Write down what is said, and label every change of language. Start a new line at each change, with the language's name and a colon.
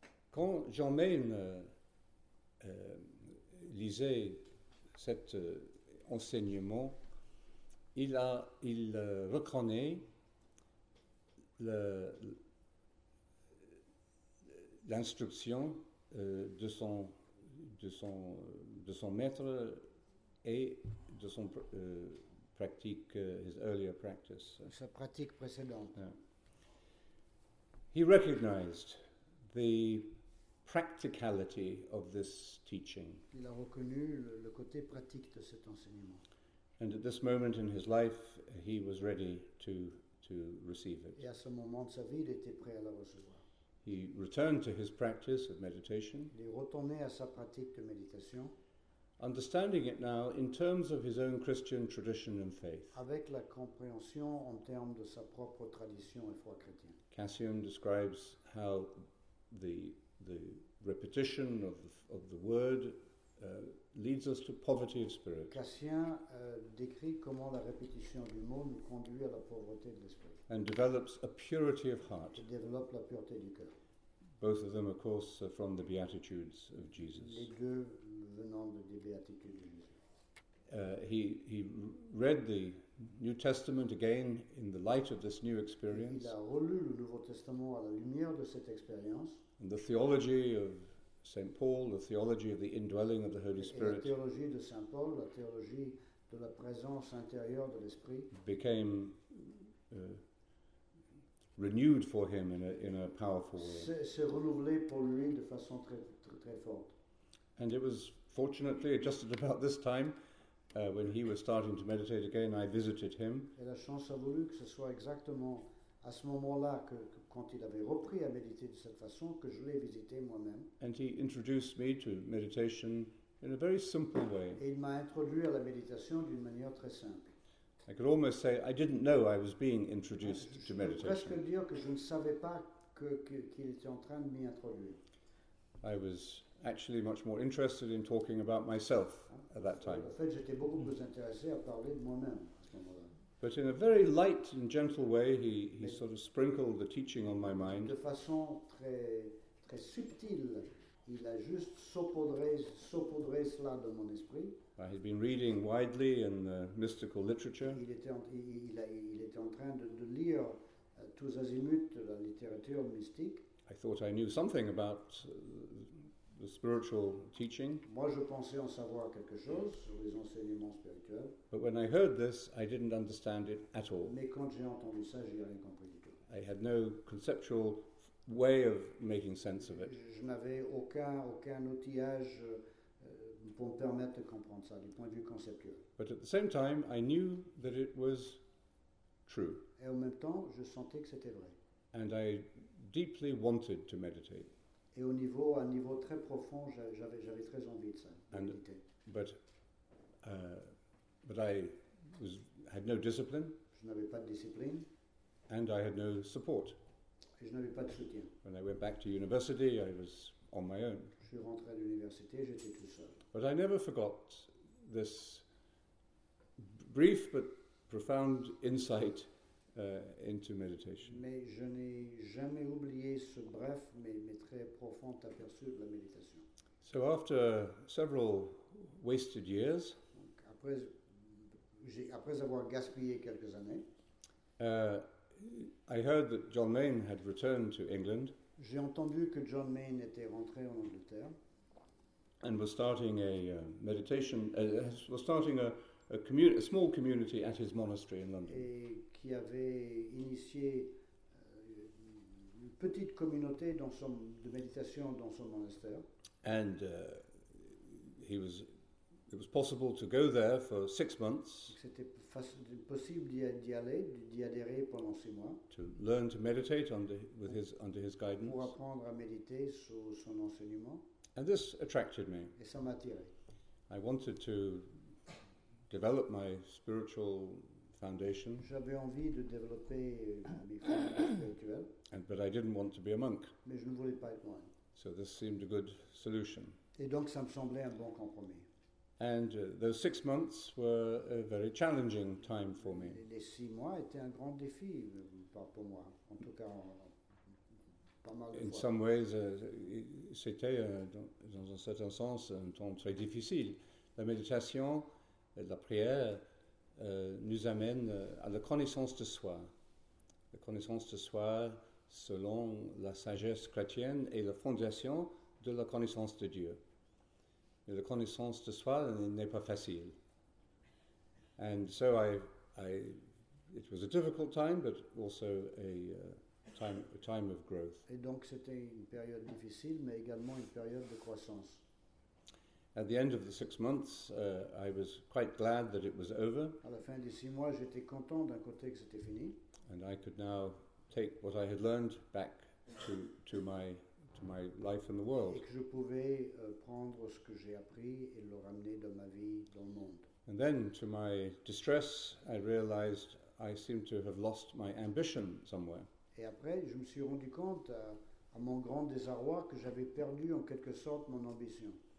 French: Quand Jean Maine lisait cet enseignement, il reconnaît l'instruction de son maître et de son pratique,
English: his earlier practice.
French: Sa pratique précédente.
English: He recognized the practicality of this teaching.
French: Il a reconnu le côté pratique de cet enseignement.
English: And at this moment in his life, he was ready to receive it.
French: Et à ce moment de sa vie, il était prêt à la recevoir.
English: He returned to his practice of meditation.
French: Il est retourné à sa pratique de méditation.
English: Understanding it now in terms of his own Christian tradition and faith.
French: Avec la compréhension en termes de sa propre tradition et foi chrétienne.
English: Cassian describes how the repetition of the word leads us to poverty of spirit.
French: Cassien décrit comment la répétition du mot nous conduit à la pauvreté de l'esprit.
English: And develops a purity of heart.
French: Et développe la pureté du cœur.
English: Both of them, of course, are from the Beatitudes of Jesus.
French: Les deux venant des Béatitudes de Jésus.
English: He read the New Testament again in the light of this new experience.
French: Il a relu le Nouveau Testament à la lumière de cette expérience.
English: And the theology of Saint Paul, the theology of the indwelling of the Holy Spirit,
French: et la théologie de Saint Paul, la théologie de la présence intérieure de l'Esprit,
English: became renewed for him in a powerful way.
French: S'est renouvelé pour lui de façon très très très forte.
English: And it was fortunately just at about this time when he was starting to meditate again, I visited him.
French: Et la chance a voulu que ce soit exactement à ce moment-là, que quand il avait repris à méditer de cette façon, que je l'ai visité moi-même.
English: And he introduced me to meditation in a very simple way.
French: Et il m'a introduit à la méditation d'une manière très simple.
English: I could almost say I didn't know I was being introduced
French: je
English: to meditation.
French: Je peux presque dire que je ne savais pas qu'il était en train de m'y introduire.
English: I was actually much more interested in talking about myself at that time.
French: En fait, j'étais beaucoup plus intéressé à parler de moi-même.
English: But in a very light and gentle way, he sort of sprinkled the teaching on my mind.
French: De façon très très subtile, il a juste saupoudré cela de mon esprit.
English: I had been reading widely in the mystical literature.
French: Il était en train de lire tous azimuts la littérature mystique.
English: I thought I knew something about the spiritual teaching.
French: Moi, je pensais en savoir quelque chose sur les enseignements spirituels.
English: But when I heard this, I didn't understand it at all.
French: Mais quand j'ai entendu ça, j'ai rien compris du tout.
English: I had no conceptual way of making sense of it.
French: Je n'avais aucun outillage pour me permettre de comprendre ça du point de vue conceptuel.
English: But at the same time, I knew that it was true.
French: Et en même temps, je sentais que c'était vrai.
English: And I deeply wanted to meditate.
French: Et à un niveau très profond, j'avais très envie de ça, de méditer.
English: But I had no discipline.
French: Je n'avais pas de discipline.
English: And I had no support.
French: Et je n'avais pas de soutien.
English: When I went back to university, I was on my own.
French: Je suis rentré à l'université, j'étais tout seul.
English: But I never forgot this brief but profound insight into meditation.
French: Mais je n'ai jamais oublié ce bref mais très profond aperçu de la méditation.
English: So after several wasted years,
French: après avoir gaspillé quelques années,
English: I heard that John Maine had returned to England.
French: J'ai entendu que John Maine était rentré en Angleterre.
English: And was starting a meditation, was starting a small community at his monastery in London.
French: Et qui avait initié une petite communauté de méditation dans son monastère.
English: And he was It was possible to go there for 6 months.
French: C'était possible d'y aller, d'y adhérer pendant 6 mois.
English: To learn to meditate under his guidance.
French: Pour apprendre à méditer sous son enseignement.
English: And this attracted me.
French: Et ça m'attirait.
English: I wanted to develop my spiritual foundation.
French: J'avais envie de développer mes fondations spirituelles.
English: But I didn't want to be a monk.
French: Mais je ne voulais pas être moine.
English: So this seemed a good solution.
French: Et donc ça me semblait un bon compromis.
English: And those 6 months were a very challenging time for me.
French: Les 6 mois étaient un grand défi pour moi, en tout cas, pas mal de fois.
English: In some ways,
French: c'était, dans un certain sens, un temps très difficile. La méditation et la prière nous amènent à la connaissance de soi. La connaissance de soi, selon la sagesse chrétienne, est la fondation de la connaissance de Dieu. La connaissance de soi n'est pas facile.
English: And so it was a difficult time, but also a time of growth.
French: Et donc c'était une période difficile, mais également une période de croissance.
English: At the end of the 6 months, I was quite glad that it was over.
French: À la fin des 6 mois, j'étais content d'un côté que c'était fini.
English: And I could now take what I had learned back to my life in the world.
French: Et que je pouvais prendre ce que j'ai appris et le ramener dans ma vie dans le monde.
English: And then, to my distress, I realized I seemed to have lost my ambition somewhere.
French: Et après, je me suis rendu compte à mon grand désarroi que j'avais perdu en quelque sorte mon ambition.